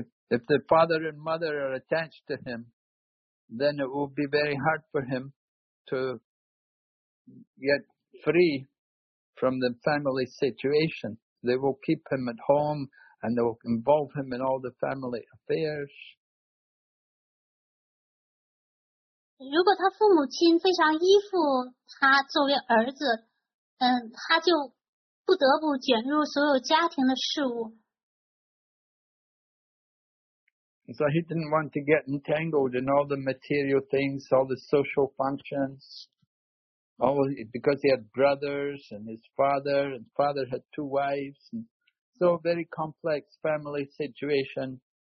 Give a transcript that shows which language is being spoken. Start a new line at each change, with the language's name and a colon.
English: If the father and mother are attached to him, then it will be very hard for him to get free from the family situation. they will keep him at home and they will involve him in all the family affairs.
Chinese: 如果他父母亲非常依附他作为儿子，嗯，他就不得不卷入所有家庭的事务。
English: So he didn't want to get entangled in all the material things, all the social functions, because he had brothers and his father, and father had two wives, and so very complex family situation.